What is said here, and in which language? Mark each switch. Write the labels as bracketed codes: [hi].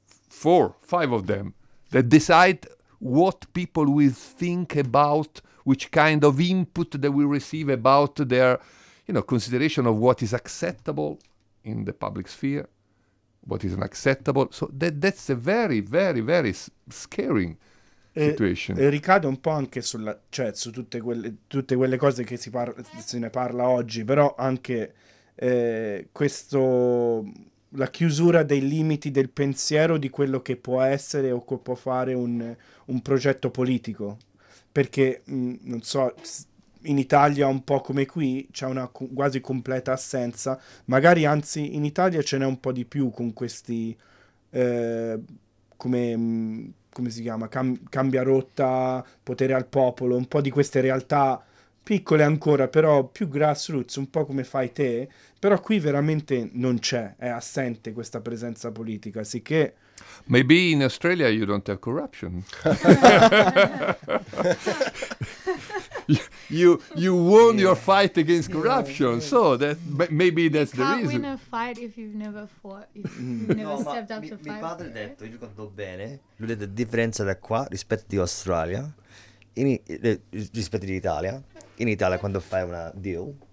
[en] 4, 5 of them that decide what people will think about, which kind of input they will receive about their, you know, consideration of what is acceptable in the public sphere, what is unacceptable. So that's a very, very, very scary situation. [it] Ricade un po' anche sulla, cioè, su tutte quelle cose che se ne parla oggi, però anche questo, la chiusura dei limiti del pensiero di quello che può essere o che può fare un progetto politico, perché non so, in Italia un po' come qui c'è una quasi completa assenza, magari anzi in Italia ce n'è un po' di più con questi come si chiama, cambia rotta, potere al popolo, un po' di queste realtà piccole ancora, però più grassroots, un po' come fai te, però qui veramente non c'è, è assente questa presenza politica, sicché... [en] Maybe in Australia you don't have corruption. You won, yeah, your fight against corruption, yeah, yeah. So that maybe that's the reason. You can't win a fight if you've never fought, if you've never stepped up to fight. [it] Mi padre ha detto, io ricordo bene, lui ha detto, differenza da qua rispetto di Australia, rispetto di Italia, in Italia quando fai una deal.